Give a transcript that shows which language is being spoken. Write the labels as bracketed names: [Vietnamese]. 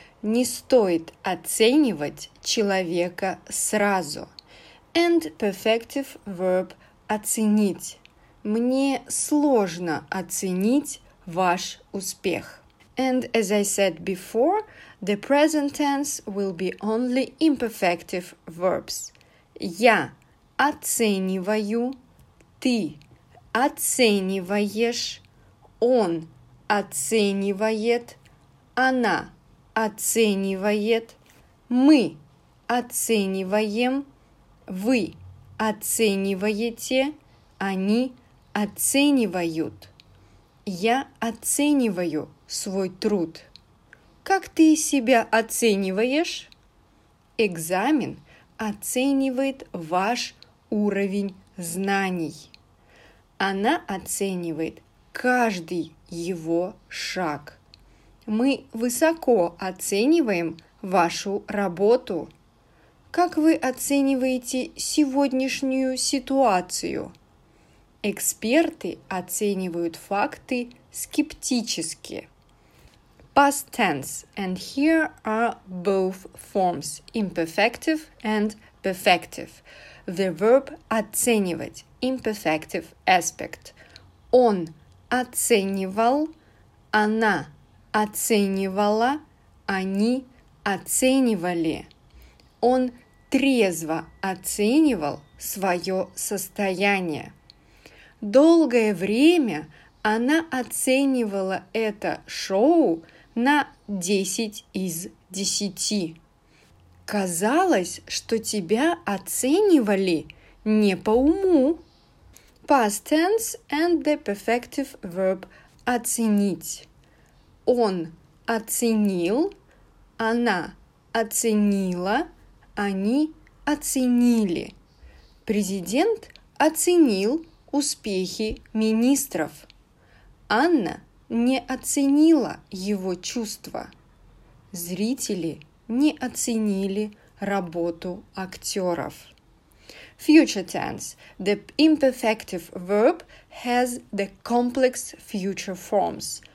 [Russian] Не стоит оценивать человека сразу. [English] And perfective verb оценить. [Russian] Мне сложно оценить ваш успех. [English] And as I said before, the present tense will be only imperfective verbs. [Russian] Я оцениваю, ты оцениваешь, он оценивает, она оценивает, мы оцениваем, вы оцениваете, они оценивают. Я оцениваю свой труд. Как ты себя оцениваешь? Экзамен оценивает ваш уровень знаний. Она оценивает каждый его шаг. Мы высоко оцениваем вашу работу. Как вы оцениваете сегодняшнюю ситуацию? Эксперты оценивают факты скептически. [English] Past tense, and here are both forms, imperfective and perfective. The verb оценивать, imperfective aspect. [Russian] Он оценивал, она оценивала, они оценивали. Он трезво оценивал свое состояние. Долгое время она оценивала это шоу на 10 из 10. Казалось, что тебя оценивали не по уму. Past tense and the perfective verb оценить. Он оценил, она оценила, они оценили. Президент оценил успехи министров. Анна не оценила его чувства. Зрители не оценили работу актеров. [English] Future tense. The imperfective verb has the complex future forms.